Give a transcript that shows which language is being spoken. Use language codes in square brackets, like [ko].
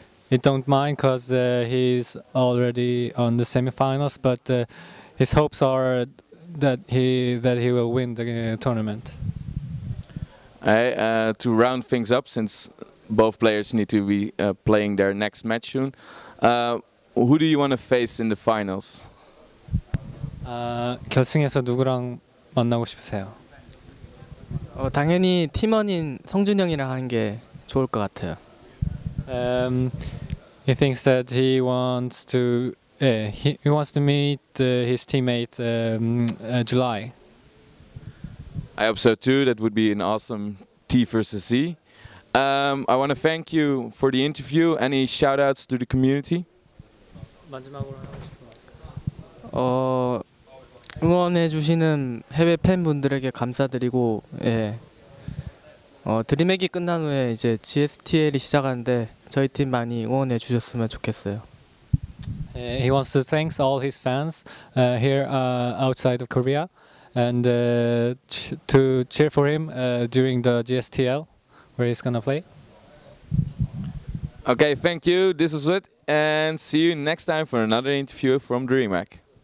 [en] It don't mind because he's already on the semifinals, but his hopes are that he will win the tournament. Hey, to round things up, since both players need to be playing their next match soon. Who do you want to face in the finals? [ko] 결승에서 누구랑 만나고 싶으세요? 당연히 팀원인 성준형이랑 하는 게 좋을 것 같아요. [en] He thinks that he wants to he wants to meet his teammate July. I hope so too. That would be an awesome T versus C. I want to thank you for the interview. Any shout-outs to the community? [ko] 마지막으로 하고 싶어. 응원해 주시는 해외 팬분들에게 감사드리고 예. 드림핵이 끝난 후에 이제 GSTL이 시작하는데 저희 팀 많이 응원해 주셨으면 좋겠어요. [en] He wants to thank all his fans here outside of Korea and to cheer for him during the GSTL. Where he's gonna play. Okay, thank you. This is it, and see you next time for another interview from Dreamhack.